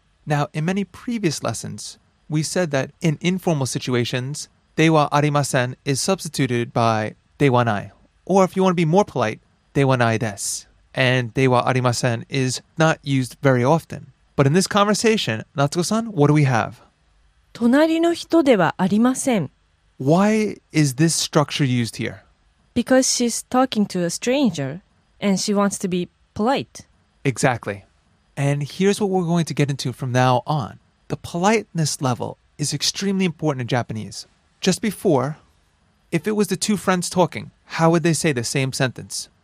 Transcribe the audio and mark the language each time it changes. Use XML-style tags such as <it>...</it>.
<en>Now, in many previous lessons, we said that in informal situations,</en> <ja>dewa arimasen</ja> <en>is substituted by</en> <ja>dewa nai.</ja> <en>Or if you want to be more polite,</en> <ja>dewa nai desu.</ja> <en>And</en> <ja>dewa arimasen</ja> <en>is not used very often. But in this conversation, Natsuko-san, what do we have?</en> <ja>隣の人ではありません。</ja> <en>Why is this structure used here? Because she's talking to a stranger and she wants to be polite. Exactly. And here's what we're going to get into from now on. The politeness level is extremely important in Japanese. Just before, if it was the two friends talking, how would they say the same sentence?</en>